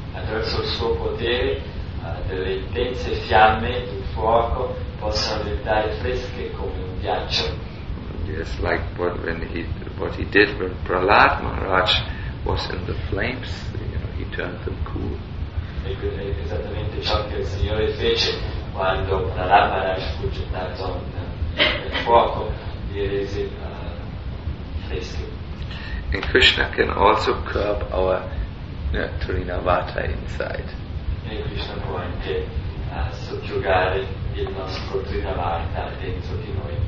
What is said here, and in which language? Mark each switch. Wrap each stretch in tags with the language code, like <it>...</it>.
<it>Attraverso il suo potere, delle intense fiamme di fuoco possono diventare fresche come un ghiaccio.</it> <en>Yes, like what he did when Prahlad Maharaj was in the flames, you know, he turned them cool.</en> <it>Esattamente ciò che il Signore fece quando Prahlad Maharaj fu gettato nel fuoco, gli rese fresco.</it> <en>And Krishna can also curb our Trinavata inside.</en> <it>E Krishna può anche soggiogare il nostro Trinavata dentro di noi.</it>